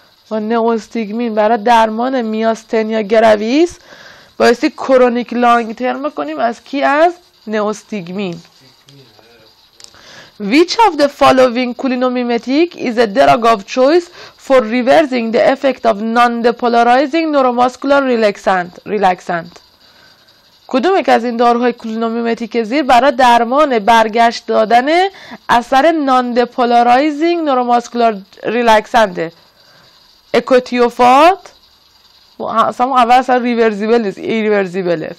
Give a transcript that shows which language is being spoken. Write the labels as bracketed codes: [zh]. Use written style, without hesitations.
[fa] و نئوستیگمین برای درمان میاستنیا گراویس بایستی کرونیک لانگ ترم کنیم. از کی؟ از نئوستیگمین. [en] Which of the following cholinomimetic is a drug of choice for reversing the effect of non-depolarizing neuromuscular relaxant? [fa] کدوم یک از این داروهای کلینومیمتیک زیر برای درمان برگشت دادن اثر non-depolarizing neuromuscular relaxant؟ اکوتیوفات اصلا اول اصلا ریورزیبل نیست، ایریورزیبله.